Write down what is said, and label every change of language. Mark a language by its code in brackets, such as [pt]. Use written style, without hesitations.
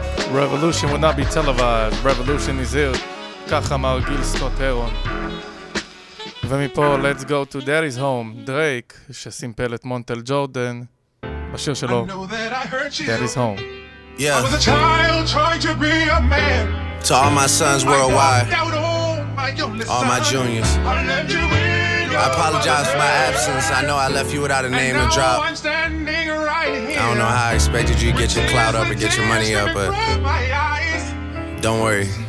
[en] Revolution will not be televised. Revolution is here. [he] כך אמר גיל סקוט הרון. ומפה, [en] let's go to daddy's home. [he] דרייק, שסימפל את מונטל ג'ורדן בשיר שלו, daddy's home. [en] Yeah. I was a child trying to be a man. To all my sons worldwide. All my juniors. I apologize for my absence. I know I left you without a name to drop. I don't know how I expected you to get your clout up and get your money up, but don't worry.